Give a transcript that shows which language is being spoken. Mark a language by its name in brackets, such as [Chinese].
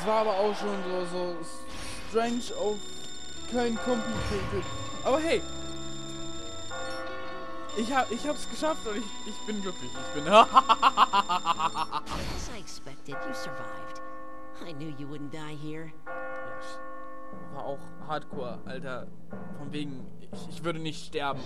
[German] Es war aber auch schon so strange auf kein complicated. Aber hey, ich hab's geschafft und ich bin glücklich. Ich bin. [English] As I expected, you survived. I knew you wouldn't die here. Yes. [German] War auch hardcore, Alter. Von wegen, ich würde nicht sterben.